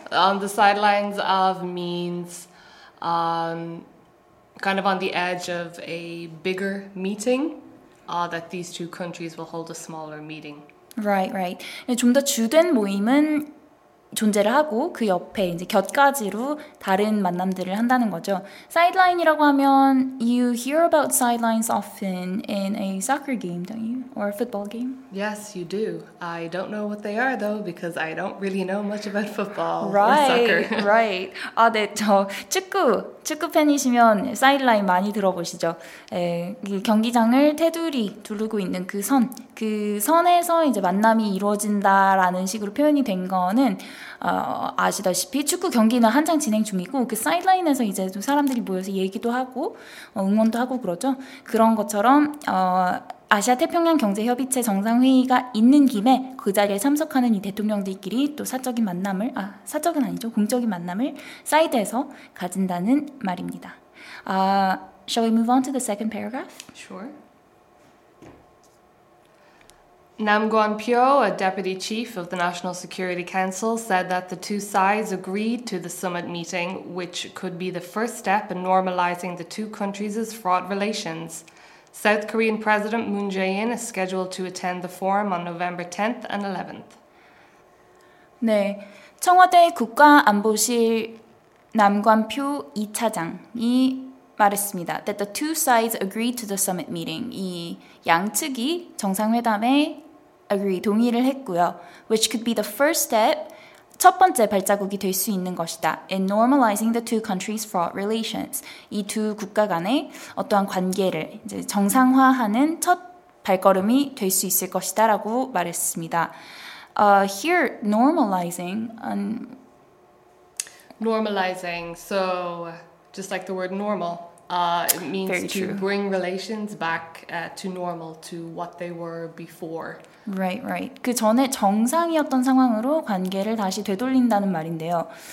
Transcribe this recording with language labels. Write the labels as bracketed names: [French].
[English] On the sidelines of means kind of on the edge of a bigger meeting that these two countries will hold a smaller meeting. Right, right. [Korean] 좀 더 주된 모임은 존재를 하고 그 옆에 이제 곁가지로 다른 만남들을 한다는 거죠. Sideline이라고 하면 [English] you hear about sidelines often in a soccer game, don't you? Or a football game? Yes, you do. I don't know what they are though because I don't really know much about football right, or soccer. Right. [Korean] 아, 네. 저 축구 팬이시면 사이드라인 많이 들어보시죠. 에, 경기장을 테두리 두르고 있는 그 선. 그 선에서 이제 만남이 이루어진다라는 식으로 표현이 된 거는 아시다시피 축구 경기는 한창 진행 중이고 그 사이드라인에서 이제 좀 사람들이 모여서 얘기도 하고 응원도 하고 그러죠. 그런 것처럼 아시아 태평양 경제협의체 정상회의가 있는 김에 그 자리에 참석하는 이 대통령들끼리 또 사적인 만남을 사적은 아니죠. 공적인 만남을 사이드에서 가진다는 말입니다. [English] Shall we move on to the second paragraph? Sure. Nam Guan Pyo, a deputy chief of the National Security Council, said that the two sides agreed to the summit meeting, which could be the first step in normalizing the two countries' fraught relations. South Korean President Moon Jae-in is scheduled to attend the forum on November 10th and 11th. [Korean] 네, 청와대 국가안보실 남관 표 2차장이 말했습니다. [English] That the two sides agreed to the summit meeting. [Korean] 이 양측이 정상회담에 agree, 동의를 했고요. [English] Which could be the first step, [Korean] 첫 번째 발자국이 될 수 있는 것이다. [English] In normalizing the two countries' fraught relations. [Korean] 이 두 국가 간의 어떠한 관계를 이제 정상화하는 첫 발걸음이 될 수 있을 것이다 라고 말했습니다. [English] Here, normalizing. Normalizing. So, just like the word normal. It means Very to true. Bring relations back to normal, to what they were before. Right, right. [Korean] 그 전에 정상이었던 상황으로 관계를 다시 되돌린다는 말인데요.